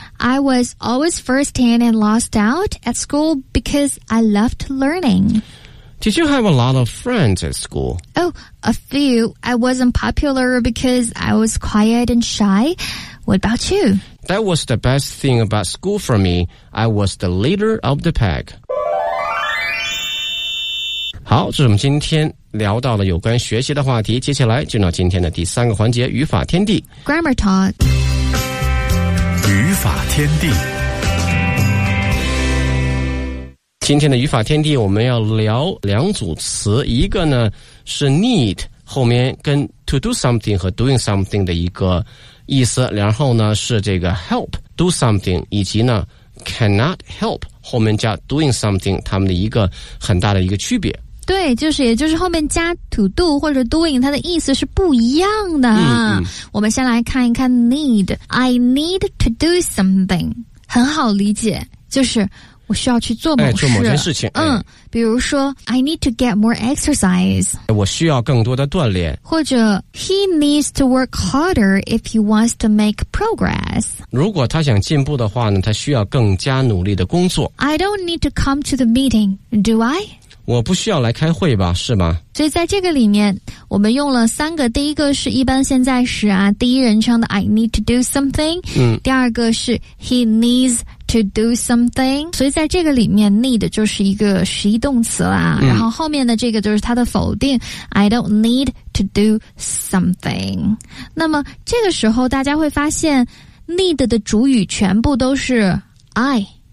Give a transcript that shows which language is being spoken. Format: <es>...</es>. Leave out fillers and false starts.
<en>I was always first in and lost out at school because I loved learning. Did you have a lot of friends at school? Oh, a few. I wasn't popular because I was quiet and shy. What about you? That was the best thing about school for me. I was the leader of the pack.</en> <zh>好，这是我们今天聊到了有关学习的话题。接下来进入到今天的第三个环节，语法天地。</zh> <en>Grammar Talk.</en> <zh>语法天地。今天的语法天地，我们要聊两组词，一个呢是 need， 后面跟 to do something 和 doing something 的一个意思然后呢是这个 help do something 以及呢 cannot help 后面加 doing something 他们的一个很大的一个区别对就是也就是后面加 to do 或者 doing 它的意思是不一样的、我们先来看一看 need</zh> <en>I need to do something</en> <zh>很好理解就是我需要去做某事、哎、做某件事情、哎、</zh> <en>比如说 I need to get more exercise</en> <zh>我需要更多的锻炼</zh> <en>或者 He needs to work harder if he wants to make progress</en> <zh>如果他想进步的话呢他需要更加努力的工作</zh> <en>I don't need to come to the meeting do I?</en> <zh>我不需要来开会吧是吗所以在这个里面我们用了三个第一个是一般现在时啊第一人称的</zh> <en>I need to do something、</en> <zh>第二个是</zh> <en>He needs to do something</en> <zh>所以在这个里面 need 就是一个实义动词啦、然后后面的这个就是它的否定</zh> <en>I don't need to do something</en> <zh>那么这个时候大家会发现 need 的主语全部都是 I</zh>